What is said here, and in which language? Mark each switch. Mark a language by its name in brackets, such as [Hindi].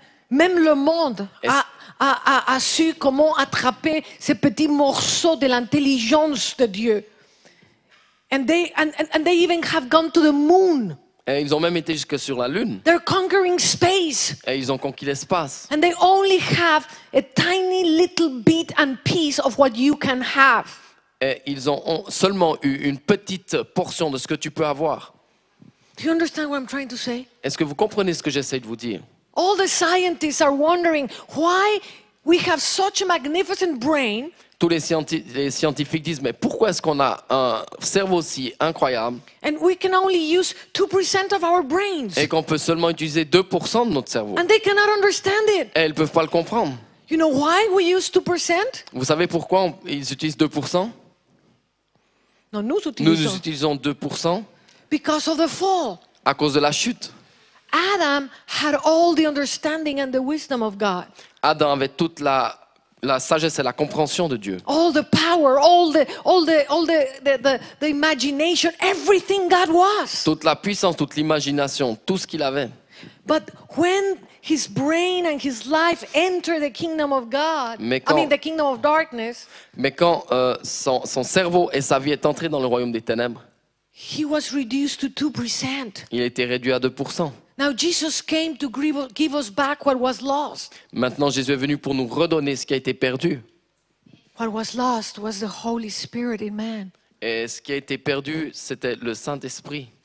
[French] Même le monde a su comment attraper ces petits morceaux de l'intelligence de Dieu. [English] And they even have gone to the moon. [French] Et ils ont même été jusque sur la lune. [English] They're conquering space. [French] Et ils ont conquis l'espace. [English] And they only have a tiny little bit and piece of what you can have. [French] Et ils ont seulement eu une petite portion de ce que tu peux avoir. [English] Do you understand what I'm trying to say? [French] Est-ce que vous comprenez ce que j'essaie de vous dire? [English] All the scientists are wondering why we have such a magnificent brain. [French] Tous les scientifiques disent, mais pourquoi est-ce qu'on a un cerveau si incroyable? [English] And we can only use 2% of our brains. [French] Et qu'on peut seulement utiliser 2% de notre cerveau. [English] And they cannot understand it. [French] Et ils ne peuvent pas le comprendre. [English] You know why we use 2%? [French] Vous savez pourquoi ils utilisent 2%? Non, nous utilisons 2%. [English] Because of the fall. [French] À cause de la chute. [English] Adam had all the understanding and the wisdom of God. [French] Adam avait toute la sagesse et la compréhension de Dieu. [English] All the power, all the imagination, everything God was. [French] Toute la puissance, toute l'imagination, tout ce qu'il avait. [English] But when his brain and his life enter the kingdom of God, the kingdom of darkness. [French] Mais quand son cerveau et sa vie est entré dans le royaume des ténèbres. [English] He was reduced to 2%. [French] Il a été réduit à 2%. [English] Now Jesus came to give us back what was lost. [French] Maintenant Jésus est venu pour nous redonner ce qui a été perdu. [English] What was lost was the Holy Spirit in man. [French] Et ce qui a été perdu, c'était le Saint-Esprit.